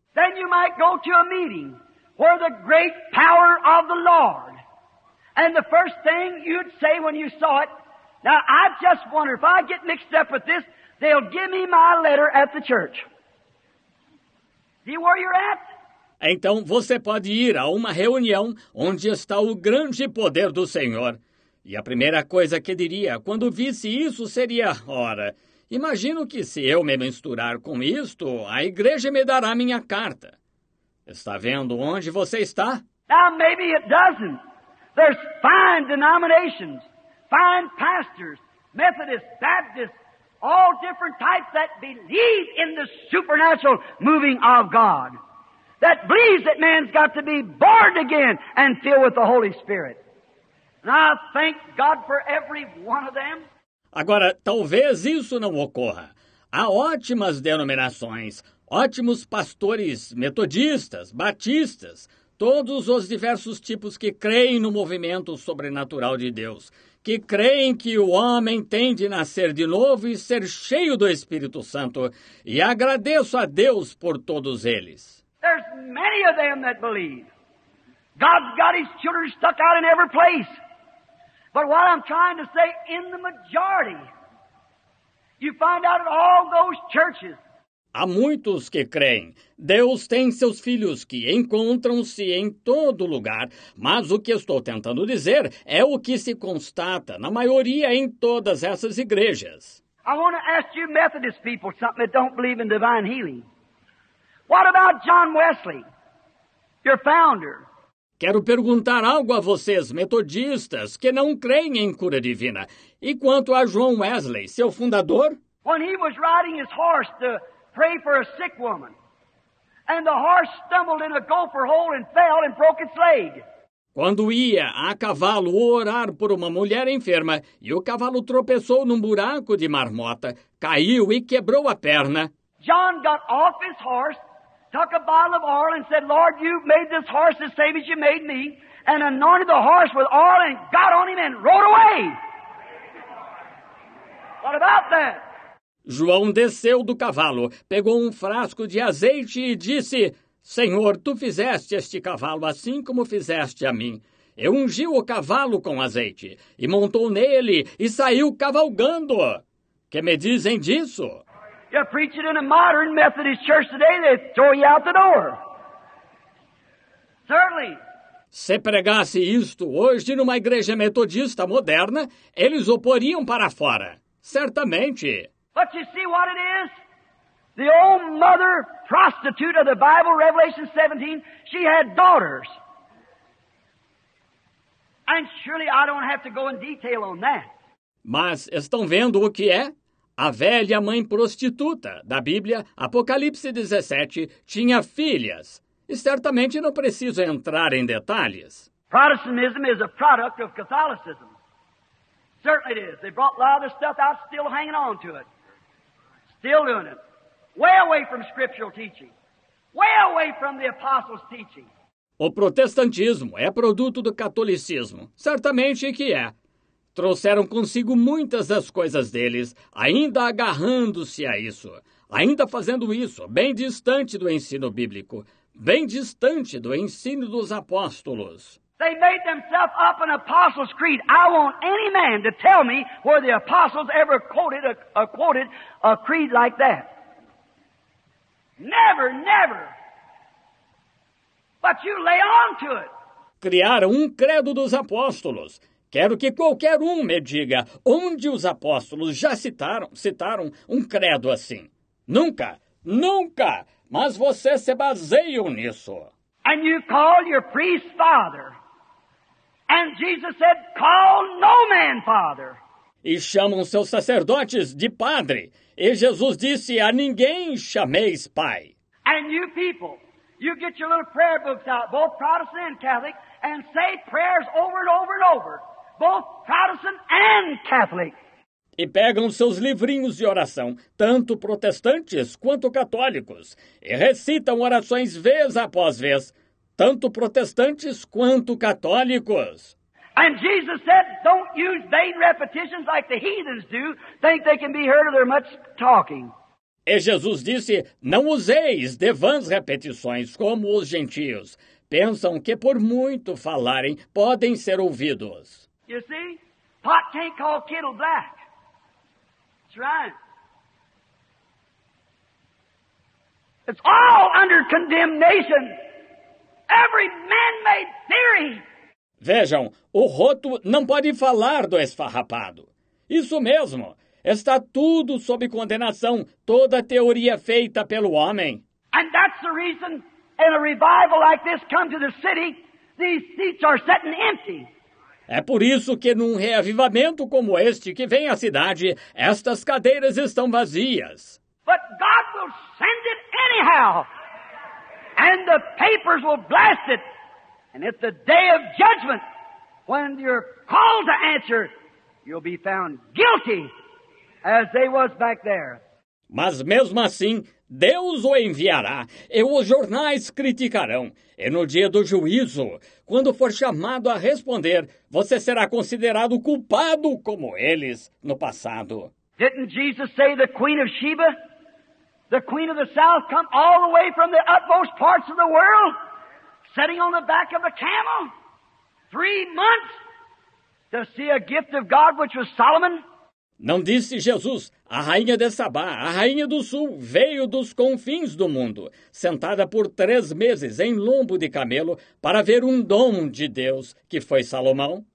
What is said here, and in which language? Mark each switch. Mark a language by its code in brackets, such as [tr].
[en] Then you might go to a meeting where the great power of the Lord, and the first thing you'd say when you saw it, now I just wonder, if I get mixed up with this, they'll give me my letter at the church. See where you're at? [pt] Então você pode ir a uma reunião onde está o grande poder do Senhor. E a primeira coisa que diria quando visse isso seria, ora, imagino que se eu me misturar com isto, a igreja me dará minha carta. Está vendo onde você está? [en] Now, maybe it doesn't. There's fine denominations, fine pastors, Methodists, Baptists, all different types that believe in the supernatural moving of God. That believes that man's got to be born again and filled with the Holy Spirit. And I thank God for every one of them. [pt] Agora, talvez isso não ocorra. Há ótimas denominações, ótimos pastores metodistas, batistas, todos os diversos tipos que creem no movimento sobrenatural de Deus, que creem que o homem tem de nascer de novo e ser cheio do Espírito Santo. E agradeço a Deus por todos eles. [en] There's many of them that believe. God's got his children stuck out in every place. But what I'm trying to say, in the majority, you find out in all those churches. [pt] Há muitos que creem. Deus tem seus filhos que encontram-se em todo lugar. Mas o que estou tentando dizer é o que se constata na maioria em todas essas igrejas. [en] I want to ask you Methodist people something that don't believe in divine healing. What about John Wesley, your founder? [pt] Quero perguntar algo a vocês, metodistas, que não creem em cura divina. E quanto a John Wesley, seu fundador? [en] When he was riding his horse to pray for a sick woman, and the horse stumbled in a gopher hole and fell and broke its leg. [pt] Quando ia a cavalo orar por uma mulher enferma, e o cavalo tropeçou num buraco de marmota, caiu e quebrou a perna. [en] John got off his horse, took a bottle of oil and said, Lord, you've made this horse the same as you made me, and anointed the horse with oil and got on him and rode away. What about that? [pt] João desceu do cavalo, pegou um frasco de azeite e disse, Senhor, tu fizeste este cavalo assim como fizeste a mim. Eu ungi o cavalo com azeite e montou nele e saiu cavalgando. Que me dizem disso? [en] You preach it in a modern Methodist church today, they throw you out the door. Certainly. [pt] Se pregasse isto hoje numa igreja metodista moderna, eles o poriam para fora. Certamente. [en] But you see what it is? The old mother prostitute of the Bible, Revelation 17, she had daughters. And surely I don't have to go in detail on that. [pt] Mas estão vendo o que é? A velha mãe prostituta da Bíblia, Apocalipse 17, tinha filhas. E certamente não preciso entrar em detalhes. [en] Protestantism is a product of Catholicism. Certainly it is. They brought a lot of the stuff out, still hanging on to it. Still doing it. Way away from scriptural teaching. Way away from the apostles' teaching. [pt] O protestantismo é produto do catolicismo. Certamente que é. Trouxeram consigo muitas das coisas deles, ainda agarrando-se a isso, ainda fazendo isso, bem distante do ensino bíblico, bem distante do ensino dos apóstolos. [en] They made themselves up an apostles' creed. I want any man to tell me where the apostles ever quoted a creed like that. Never, never. But you lay on to it. [pt] Criaram um credo dos apóstolos. Quero que qualquer um me diga onde os apóstolos já citaram um credo assim. Nunca, nunca, mas vocês se baseiam nisso. [en] And you call your priest father. And Jesus said, call no man father. [pt] E chamam seus sacerdotes de padre. E Jesus disse, a ninguém chameis pai. [en] And you people, you get your little prayer books out, both Protestant and Catholic, and say prayers over and over and over. Both Protestant and Catholic. [pt] E pegam seus livrinhos de oração, tanto protestantes quanto católicos, e recitam orações vez após vez, tanto protestantes quanto católicos. [en] And Jesus said, don't use vain repetitions like the heathens do, think they can be heard of their much talking. [pt] E Jesus disse, não useis de vãs repetições como os gentios. Pensam que por muito falarem, podem ser ouvidos. [en] You see, pot can't call kettle black. That's right. It's all under condemnation. Every man-made theory. [pt] Vejam, o roto não pode falar do esfarrapado. Isso mesmo. Está tudo sob condenação, toda a teoria feita pelo homem. [en] And that's the reason in a revival like this come to the city, these seats are sitting empty. [pt] É por isso que num reavivamento como este que vem à cidade, estas cadeiras estão vazias. [en] But God will send it anyhow. And the papers will blast it. And at the day of judgment, when you're called to answer, you'll be found guilty as they was back there. [pt] Mas mesmo assim, Deus o enviará, e os jornais criticarão. E no dia do juízo, quando for chamado a responder, você será considerado culpado como eles no passado. [en] Didn't Jesus say the Queen of Sheba, the Queen of the South, come all the way from the utmost parts of the world, sitting on the back of a camel, 3 months, to see a gift of God which was Solomon? [pt] Não disse Jesus, a rainha de Sabá, a rainha do sul, veio dos confins do mundo, sentada por 3 meses em lombo de camelo, para ver um dom de Deus, que foi Salomão?